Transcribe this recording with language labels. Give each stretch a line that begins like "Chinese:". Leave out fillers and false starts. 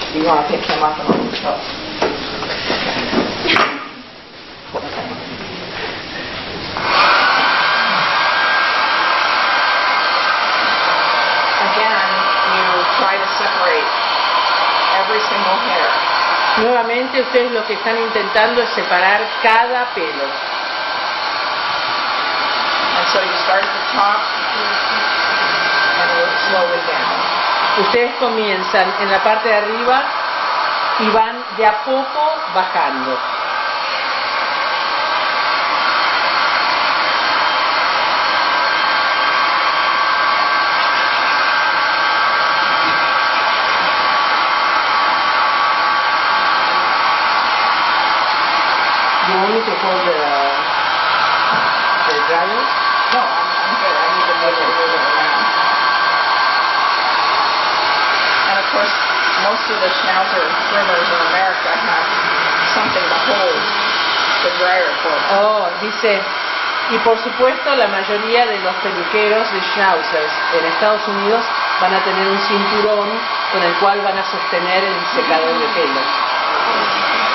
English: You want to pick him up and off the shelf. Again, you try to separate every single hair.
Spanish: Nuevamente, ustedes lo que están intentando es separar cada pelo.
English: And so you start at the top and work slowly down.
Spanish: Ustedes comienzan en la parte de arriba y van de a poco bajando.
English: hold the dryer? No, I'm good. I need to move it around. And of course, most of the schnauzer groomers in America have something to hold the dryer for.
Spanish: Oh, dice. Y por supuesto, la mayoría de los peluqueros de schnauzers en Estados Unidos van a tener un cinturón con el cual van a sostener el secador de pelo.